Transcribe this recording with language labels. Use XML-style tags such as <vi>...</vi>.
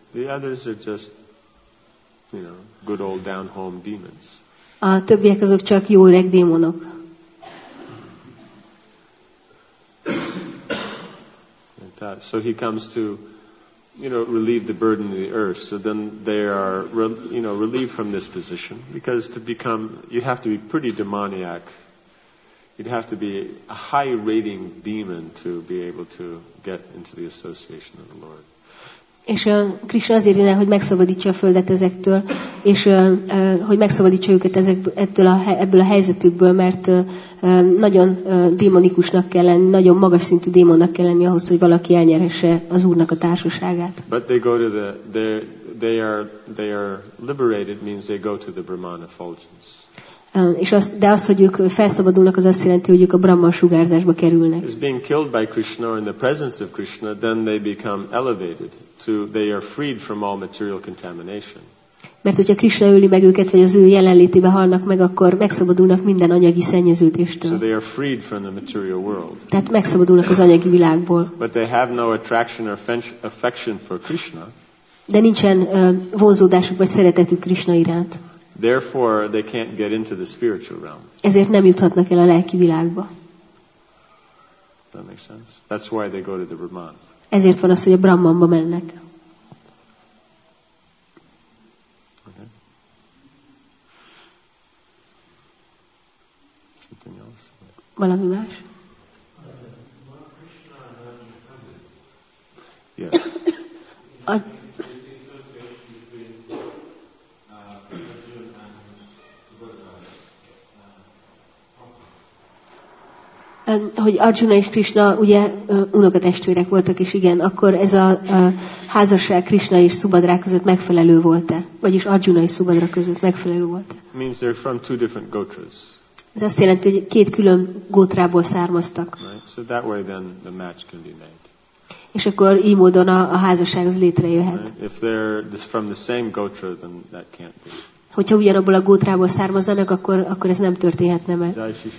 <en>The others are just, you know, good old down home demons.</en> <hu>A többiek azok csak jó öreg démonok.</hu> <en>So he comes to, you know, relieve the burden of the earth. So then they are, you know, relieved from this position, because to become, you have to be pretty demoniac. You'd have to be a high rating demon to be able to get into the association of the Lord.</en> <hu>És Krishna azért jönne, hogy megszabadítsa a földet ezektől, és hogy megszabadítsa őket ebből a helyzetükből, mert nagyon démonikusnak kell lenni, nagyon magas szintű démonnak kell lenni ahhoz, hogy valaki elnyeresse az Úrnak a társaságát.</hu> <en>But they go to they are liberated means they go to the Brahman effulgence.</en> <hu>De az, hogy ők felszabadulnak, az azt jelenti, hogy ők a Brahma sugárzásba kerülnek.</hu> <en>Is being killed by Krishna or in the presence of Krishna, then they become elevated. They are freed from all material contamination.</en> <hu>Mert hogyha Krishna öli meg őket, vagy az ő jelenlétében halnak meg, akkor megszabadulnak minden anyagi szennyeződéstől.</hu> <en>So they are freed from the material world.</en> <hu>Tehát megszabadulnak az anyagi világból.</hu> <en>But they have no attraction or affection for Krishna.</en> <hu>De nincsen vonzódásuk vagy szeretetük Krishna iránt.</hu> <en>Therefore, they can't get into the spiritual realm.</en> <hu>Ezért nem juthatnak el a lelki világba.</hu> <en>That makes sense. That's why they go to the Brahman.</en> <hu>Ezért van az, hogy a Brahmanba mennek.</hu> <en>Okay.</en> <hu>Valami más?</hu> <en>Yes.</en> <hu>Hogy Arjuna és Krishna ugye unokatestvérek voltak, és igen, akkor ez a házasság Krishna és Subhadra között megfelelő volt-e? Vagyis Arjuna és Subhadra között megfelelő volt-e?</hu> <en>Means they're from two different gotras.</en> <hu>Ez azt jelenti, hogy két külön gótrából származtak.</hu> <en>Right. So that way then the match can be made.</en> <hu>És akkor így módon a házasság az létrejöhet.</hu> <en>Right. If they're from the same gotra, then that can't be.</en> <hu>Hogyha ugyanabból a gótrából származanak, akkor ez nem történhetne meg.</hu>